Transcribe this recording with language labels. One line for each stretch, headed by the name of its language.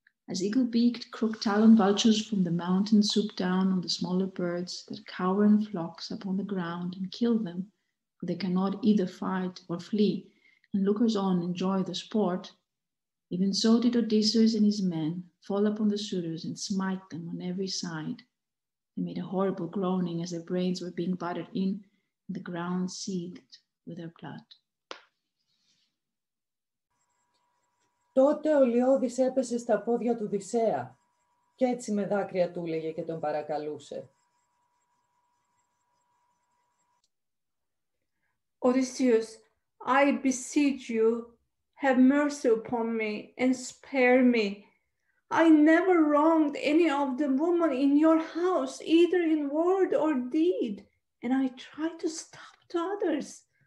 English: As eagle-beaked, crook-taloned vultures from the mountains swoop down on the smaller birds that cower in flocks upon the ground and kill them, for they cannot either fight or flee, and lookers-on enjoy the sport, even so did Odysseus and his men fall upon the suitors and smite them on every side. They made a horrible groaning as their brains were being battered in, and the ground seethed with their blood.
Greek: Τότε ο Λιώδης έπεσε στα πόδια του Οδυσσέα, και έτσι με δάκρυα του έλεγε και τον παρακαλούσε.
English: Odysseus, I beseech you, have mercy upon me and spare me. I never wronged any of the women in your house, either in word or deed, and I tried to stop the others.